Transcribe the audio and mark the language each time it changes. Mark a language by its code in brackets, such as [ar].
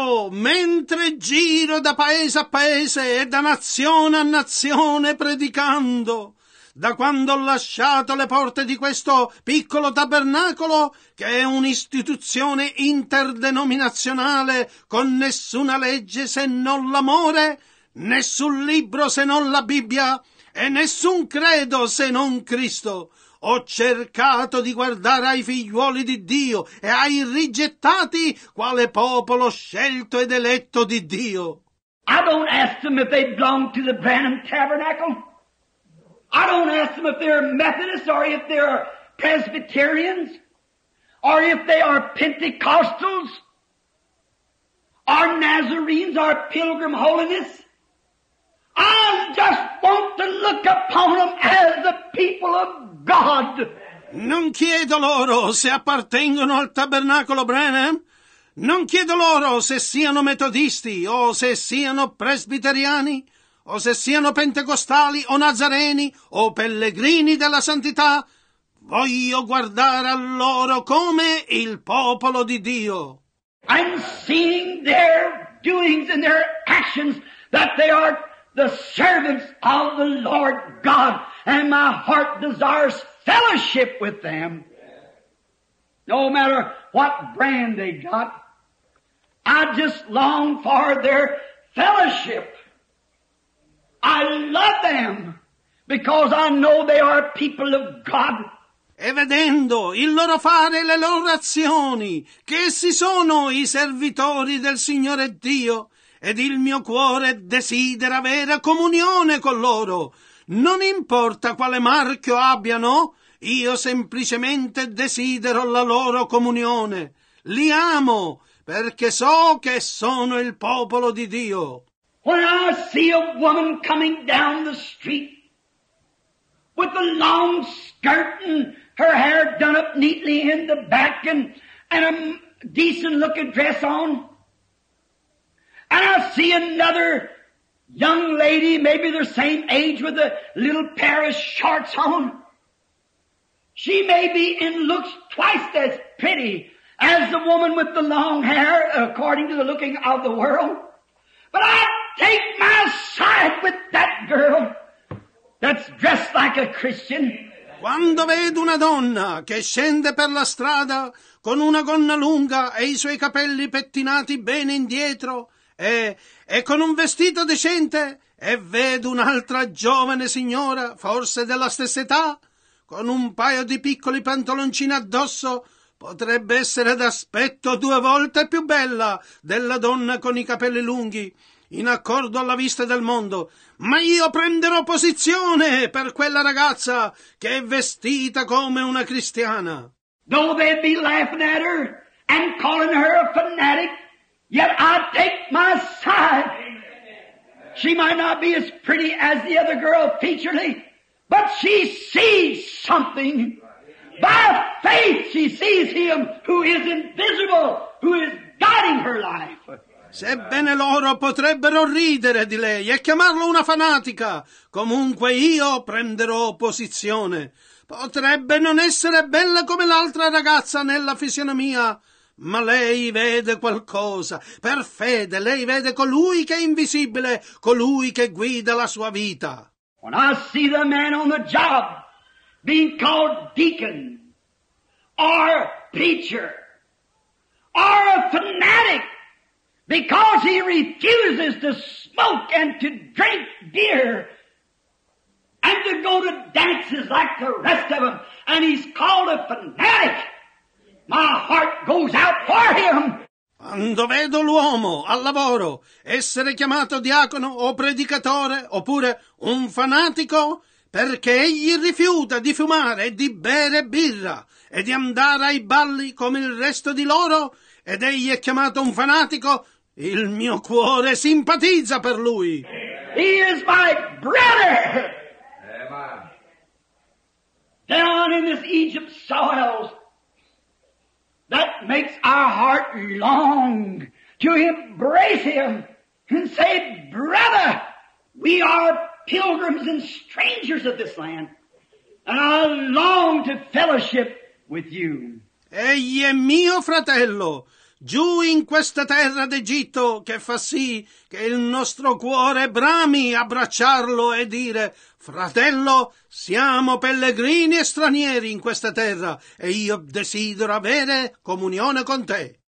[it] Mentre giro da paese a paese e da nazione a nazione predicando, da quando ho lasciato le porte di questo piccolo tabernacolo, che è un'istituzione interdenominazionale, con nessuna legge se non l'amore, nessun libro se non la Bibbia, e nessun credo se non Cristo, ho cercato di guardare ai figliuoli di Dio e ai rigettati quale popolo scelto ed eletto di Dio. [en] I don't ask them if they belong to the Branham Tabernacle. I don't ask them if they're Methodists or if they're Presbyterians or if they are Pentecostals or Nazarenes or Pilgrim Holiness. I just want to look upon them as the people of God. [it] Non chiedo loro se appartengono al tabernacolo Branham. Non chiedo loro se siano metodisti o se siano presbiteriani, o se siano pentecostali, o nazareni, o pellegrini della santità, voglio guardare a loro come il popolo di Dio. [en] I'm seeing their doings and their actions that they are the servants of the Lord God, and my heart desires fellowship with them. No matter what brand they got, I just long for their fellowship. I love them because I know they are people of God. [it] E vedendo il loro fare e le loro azioni, che essi sono i servitori del Signore Dio, ed il mio cuore desidera avere comunione con loro. Non importa quale marchio abbiano, io semplicemente desidero la loro comunione. Li amo perché so che sono il popolo di Dio. [en] When I see a woman coming down the street with a long skirt and her hair done up neatly in the back and a decent looking dress on, and I see another young lady, maybe the same age, with a little pair of shorts on, she may be and looks twice as pretty as the woman with the long hair according to the looking of the world, but I take my sight back with that girl that's dressed like a Christian. [it] Quando vedo una donna che scende per la strada con una gonna lunga e i suoi capelli pettinati bene indietro e con un vestito decente e vedo un'altra giovane signora, forse della stessa età, con un paio di piccoli pantaloncini addosso, potrebbe essere d'aspetto due volte più bella della donna con i capelli lunghi, in accordo alla vista del mondo. Ma io prenderò posizione per quella ragazza che è vestita come una cristiana. [en] Though they be laughing at her and calling her a fanatic, yet I take my side. She might not be as pretty as the other girl featuredly, but she sees something. By faith she sees him who is invisible, who is guiding her life. [it] Sebbene loro potrebbero ridere di lei e chiamarla una fanatica, comunque io prenderò posizione. Potrebbe non essere bella come l'altra ragazza nella fisionomia, ma lei vede qualcosa. Per fede lei vede colui che è invisibile, colui che guida la sua vita. [en] When I see the man on the job being called deacon, or preacher, or a fanatic, because he refuses to smoke and to drink beer and to go to dances like the rest of them, and he's called a fanatic, my heart goes out for him. [it] Quando vedo l'uomo al lavoro essere chiamato diacono o predicatore oppure un fanatico perché egli rifiuta di fumare e di bere birra e di andare ai balli come il resto di loro ed egli è chiamato un fanatico, il mio cuore simpatizza per lui. [en] He is my brother. Down in this Egypt soils, that makes our heart long to embrace him and say, brother, we are pilgrims and strangers of this land, and I long to fellowship with you. [it] Egli è mio fratello, giù in questa terra d'Egitto, che fa sì che il nostro cuore brami abbracciarlo e dire, fratello, siamo pellegrini e stranieri in questa terra e io desidero avere comunione con te.